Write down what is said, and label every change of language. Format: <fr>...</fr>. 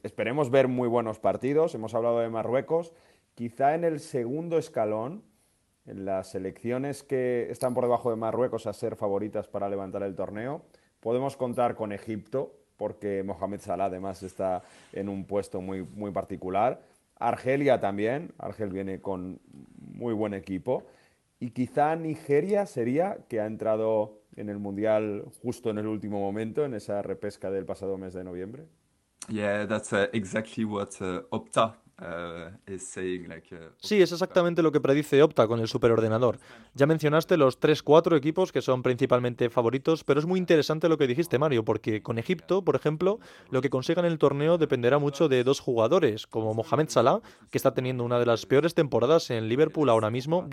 <es>Esperemos ver muy buenos partidos. Hemos hablado de Marruecos. Quizá en el segundo escalón, en las selecciones que están por debajo de Marruecos a ser favoritas para levantar el torneo, podemos contar con Egipto, porque Mohamed Salah además está en un puesto muy, muy particular. Argelia también, Argel viene con muy buen equipo. Y quizá Nigeria sería, que ha entrado en el Mundial justo en el último momento, en esa repesca del pasado mes de noviembre.</es> <en>Yeah, that's exactly what Opta.</en> <es>Sí, es exactamente lo que predice Opta con el superordenador. Ya mencionaste los 3-4 equipos que son principalmente favoritos, pero es muy interesante lo que dijiste, Mario, porque con Egipto, por ejemplo, lo que consigan en el torneo dependerá mucho de 2 jugadores, como Mohamed Salah, que está teniendo una de las peores temporadas en Liverpool ahora mismo.</es>